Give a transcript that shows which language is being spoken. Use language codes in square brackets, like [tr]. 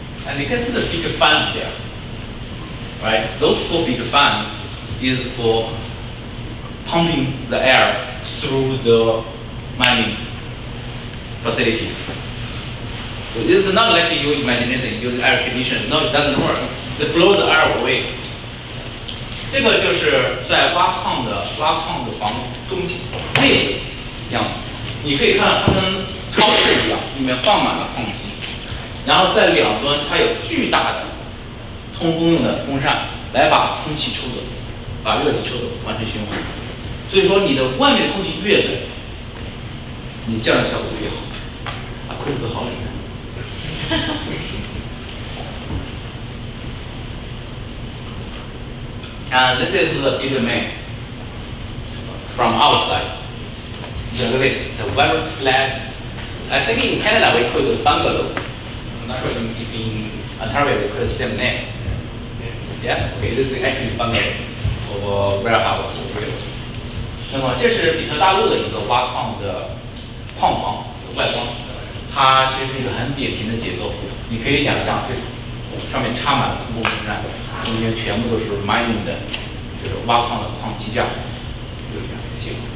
[en] And you can see the big fans there, right? Those four big fans is for pumping the air through the mining facilities. It's not like you imagine using air conditioning. No, it doesn't work. They blow the air away. [zh] 这个就是在挖矿的房中间内部一样，你可以看到它跟超市一样，里面放满了矿机，然后在两端它有巨大的通风用的风扇来把空气抽走。把热气抽走，完全循环。所以说，你的外面的空气越冷，你降热效果越好。啊，亏得好冷的。 [en] this is the bigger man from outside. Look at this. It's a very flat. I think in Canada we call it bungalow. I'm not sure if in Ontario we call it same name. Yes. Okay. This is actually bungalow. Warehouse. [zh] 那么这是比特大陆的一个挖矿的矿房的外观，它其实是一个很扁平的结构，你可以想象这上面插满了通风风扇，中间全部都是 mining 的，就是挖矿的矿机架，就这样行。